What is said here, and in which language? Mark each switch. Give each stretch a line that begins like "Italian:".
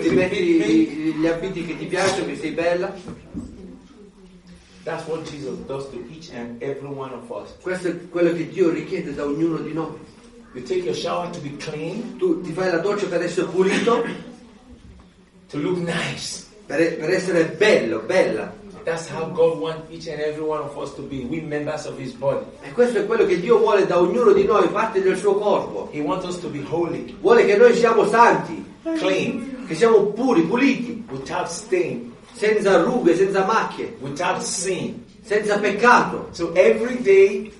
Italian: Ti metti gli abiti che ti piacciono, che sei bella.
English: That's what Jesus does to each and every one of us.
Italian: Questo è quello che Dio richiede da ognuno di noi.
English: You take your shower to be clean.
Italian: Tu ti fai la doccia per essere pulito.
English: To look nice.
Italian: Per essere bello, bella.
English: That's how God wants each and every one of us to be. We members of His body.
Italian: E questo è quello che Dio vuole da ognuno di noi, parte del suo corpo.
English: He wants us to be holy.
Italian: Vuole che noi siamo santi.
English: Clean.
Italian: Che siamo puri, puliti.
English: Without stain.
Italian: Senza rughe, senza macchie.
English: Without sin.
Italian: Senza peccato.
English: So every day,